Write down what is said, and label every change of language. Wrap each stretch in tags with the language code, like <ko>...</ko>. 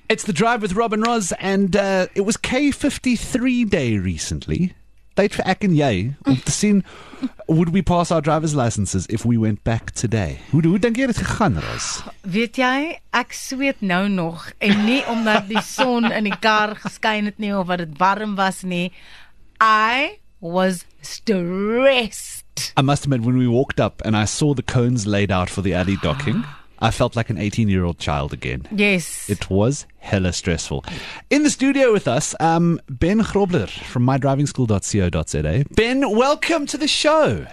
<en>It's The Drive with Rob and Roz, and it was K53 Day recently. Date for Ak and Yay. We've seen, would we pass our driver's licenses if we went back today?</en> <af>Hoe dink jy dit gegaan, Roz? Weet jy, ek sweet nou nog, en nie omdat die son in die kar geskyn het nie, of wat het warm was nie.</af> <en>I was stressed. I must admit, when we walked up and I saw the cones laid out for the alley docking, I felt like an 18-year-old child again. Yes. It was hella stressful. In the studio with us, Ben Grobler from mydrivingschool.co.za. Ben, welcome to the show.</en>